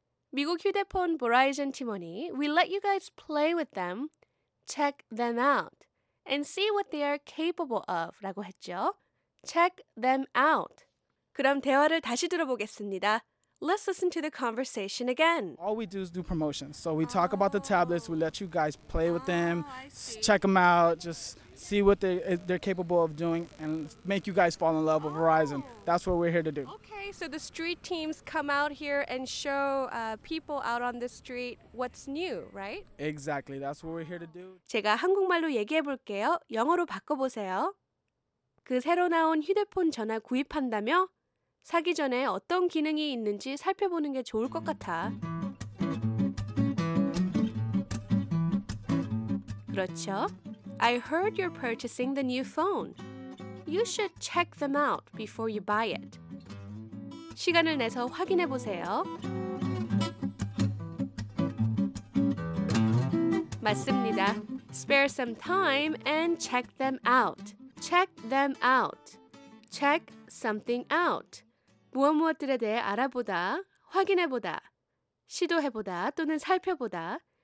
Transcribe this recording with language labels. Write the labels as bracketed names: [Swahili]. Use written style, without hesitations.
[Korean] 미국 휴대폰 [English] Verizon [Korean] 팀원이 [English] We let you guys play with them, check them out, and see what they are capable of [Korean] 라고 했죠. [English] Check them out. [Korean] 그럼 대화를 다시 들어보겠습니다. [English] Let's listen to the conversation again. All we do is do promotions. So we talk about the tablets. We let you guys play with them. Check them out. Just see what they're capable of doing and make you guys fall in love with Verizon. That's what we're here to do. Okay, so the street teams come out here and show people out on the street what's new, right? Exactly. That's what we're here to do. [Korean] 제가 한국말로 얘기해 볼게요. 영어로 바꿔보세요. 그 새로 나온 휴대폰 전화 구입한다며? 사기 전에 어떤 기능이 있는지 살펴보는 게 좋을 것 같아. 그렇죠? [English] I heard you're purchasing the new phone. You should check them out before you buy it. [Korean] 시간을 내서 확인해 보세요. 맞습니다. [English] Spare some time and check them out. Check them out. Check something out. [Korean] 무엇 무엇들에 대해 알아보다, 확인해 보다, 시도해 보다 또는 살펴보다.